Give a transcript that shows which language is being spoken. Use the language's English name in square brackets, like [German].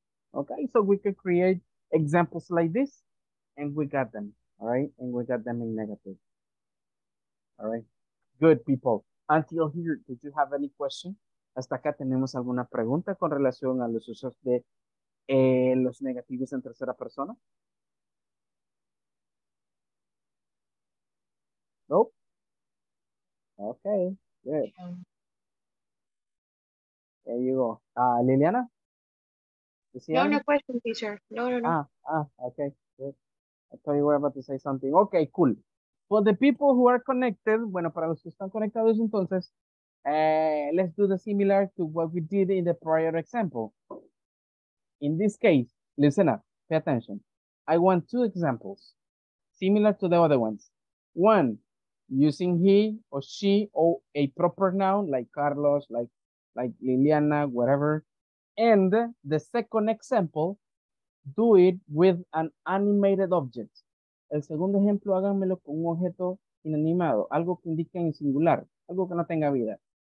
[English] Okay, so we can create examples like this and we got them. All right, and we got them in negative. All right, good people. Until here, did you have any question? [Spanish] Hasta acá tenemos alguna pregunta con relación a los usos de los negativos en tercera persona. [English] Nope. Okay, good. There you go. Liliana? No, any? No question, teacher. No. Okay, good. I thought you were about to say something. Okay, cool. For the people who are connected, [Spanish] bueno, para los que están conectados entonces, [English] let's do the similar to what we did in the prior example. In this case, listen up, pay attention. I want two examples, similar to the other ones. One, using he or she or a proper noun like Carlos, like Liliana, whatever. And the second example, do it with an animated object. [Spanish] El segundo ejemplo, háganmelo con un objeto inanimado, algo que indique en singular, algo que no tenga vida.